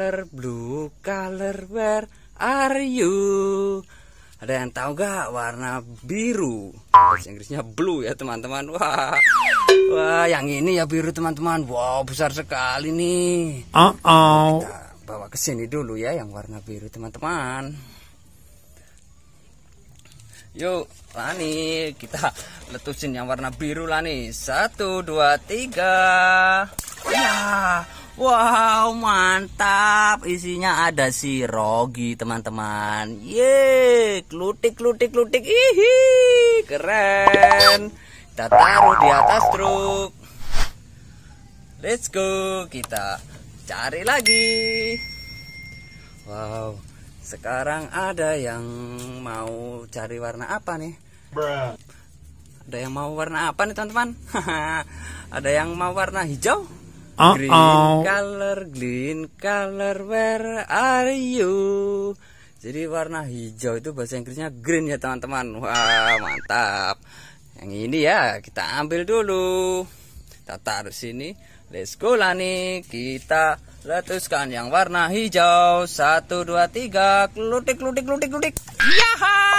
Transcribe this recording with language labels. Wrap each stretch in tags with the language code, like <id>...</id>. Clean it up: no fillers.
<en>Blue color, where are you?</en> <id>Ada yang tahu gak warna biru? Bahasa Inggrisnya blue ya teman-teman. Wah, yang ini ya biru teman-teman. Wow, besar sekali nih. Kita bawa ke sini dulu ya yang warna biru teman-teman. Yuk, Lani, kita letusin yang warna biru Lani. 1, 2, 3. Ya, wow, mantap. Isinya ada si Rogi teman-teman. Yeay, klutik, klutik, klutik. Ihi, keren. Kita taruh di atas truk.</id> <en>Let's go,</en> <id>kita cari lagi. Wow, sekarang ada yang mau cari warna apa nih? Ada yang mau warna apa nih teman-teman? Ada yang mau warna hijau?</id> <en>Green color, where are you?</en> <id>Jadi warna hijau itu bahasa Inggrisnya green ya teman-teman. Wah, mantap. Yang ini ya, kita ambil dulu. Kita taruh sini.</id> <en>Let's go Lani,</en> <id>kita letuskan yang warna hijau. 1, 2, 3. Klutik, klutik, klutik, klutik. Yaha.</id>